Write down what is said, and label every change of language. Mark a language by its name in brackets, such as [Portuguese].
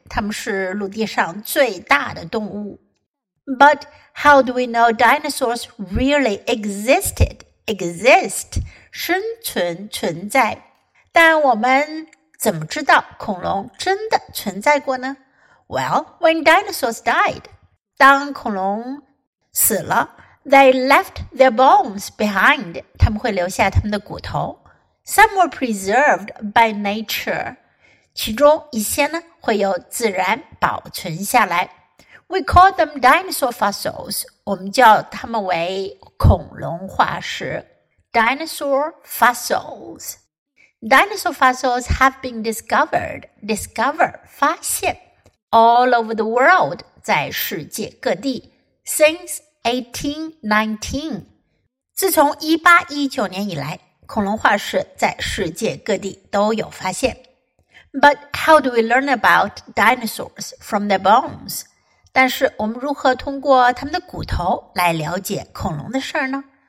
[Chinese] 他们是陆地上最大的动物。 [English] But how do we know dinosaurs really existed? [Chinese] Exist, 生存存在。但我们怎么知道恐龙真的存在过呢? [English] Well, when dinosaurs died, 当恐龙死了, they left their bones behind. [Chinese] 他们会留下他们的骨头。 [English] Some were preserved by nature. [Chinese] 其中一些呢会有自然保存下来。 [English] We call them dinosaur fossils. [Chinese] 我们叫它们为恐龙化石。 [English] Dinosaur fossils. Dinosaur fossils have been discovered. Discover, 发现。 All over the world, 在世界各地。 [Chinese] Since 1819. 自从1819年以来。恐龙化石在世界各地都有发现。 [English] But how do we learn about dinosaurs from their bones? [Chinese] 但是我们如何通过他们的骨头来了解恐龙的事儿呢?